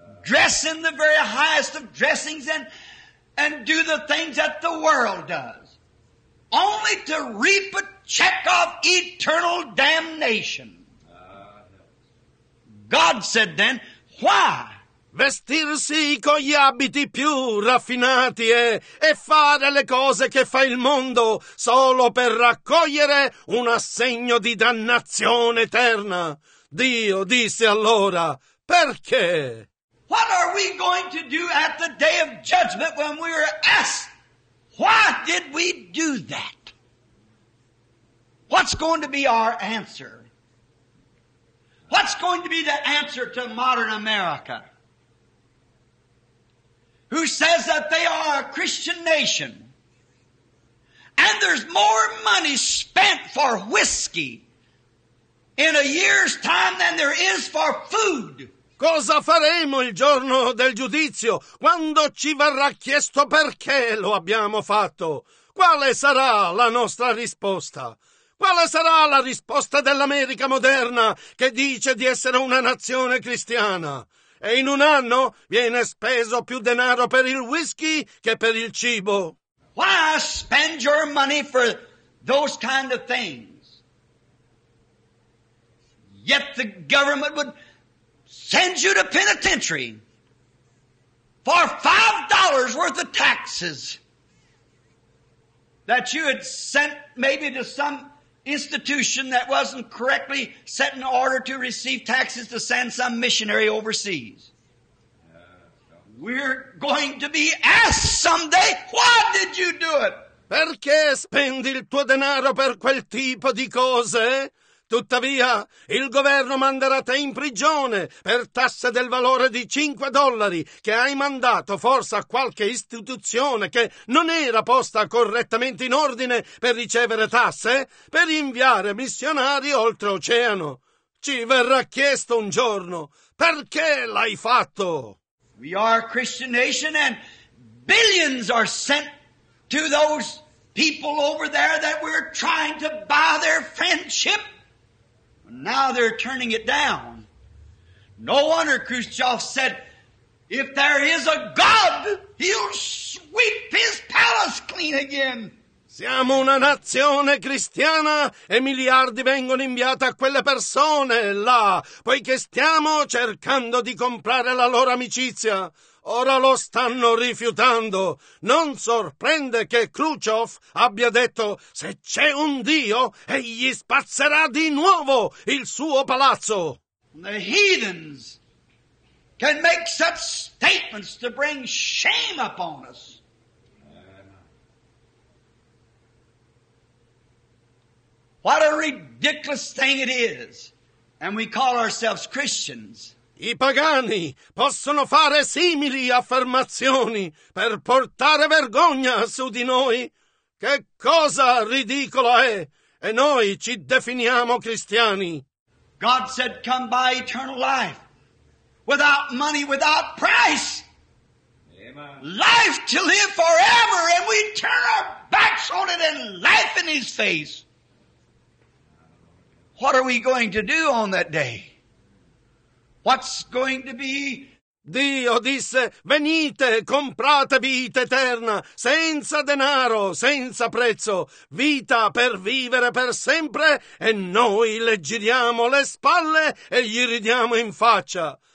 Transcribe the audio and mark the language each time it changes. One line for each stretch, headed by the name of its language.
English: Dress in the very highest of dressings and do the things that the world does, only to reap a check of eternal damnation. God said then, why?
Italian: Vestirsi con gli abiti più raffinati e fare le cose che fa il mondo solo per raccogliere un assegno di dannazione eterna. Dio disse allora, perché?
English: What are we going to do at the day of judgment when we are asked, why did we do that? What's going to be our answer? What's going to be the answer to modern America, who says that they are a Christian nation, and there's more money spent for whiskey in a year's time than there is for food?
Italian: Cosa faremo il giorno del giudizio, quando ci verrà chiesto perché lo abbiamo fatto? Quale sarà la nostra risposta? Quale sarà la risposta dell'America moderna, che dice di essere una nazione cristiana? E in un anno viene speso più denaro per il whisky che per il cibo.
English: Why spend your money for those kind of things? Yet the government would send you to penitentiary for $5 worth of taxes that you had sent maybe to some institution that wasn't correctly set in order to receive taxes to send some missionary overseas. We're going to be asked someday, why did you do it?
Italian: Perché spendi il tuo denaro per quel tipo di cose? Tuttavia, il governo manderà te in prigione per tasse del valore di $5 che hai mandato forse a qualche istituzione che non era posta correttamente in ordine per ricevere tasse, per inviare missionari oltreoceano. Ci verrà chiesto un giorno, perché l'hai fatto?
English: We are a Christian nation and billions are sent to those people over there that we're trying to buy their friendship. Now they're turning it down. No wonder Khrushchev said, if there is a God, he'll sweep his palace clean again.
Italian: Siamo una nazione cristiana e miliardi vengono inviati a quelle persone là, poiché stiamo cercando di comprare la loro amicizia. Ora lo stanno rifiutando. Non sorprende che Khrushchev abbia detto, se c'è un Dio, egli spazzerà di nuovo il suo palazzo.
English: The heathens can make such statements to bring shame upon us. What a ridiculous thing it is And we call ourselves Christians.
Italian: I pagani possono fare simili affermazioni per portare vergogna su di noi. Che cosa ridicola è! E noi ci definiamo cristiani.
English: God said, come by eternal life. Without money, without price. Amen. Life to live forever, and we turn our backs on it and laugh in his face. What are we going to do on that day? What's going to be?
Italian: Dio disse, venite, comprate vita eterna, senza denaro, senza prezzo, vita per vivere per sempre, e noi le giriamo le spalle e gli ridiamo in faccia.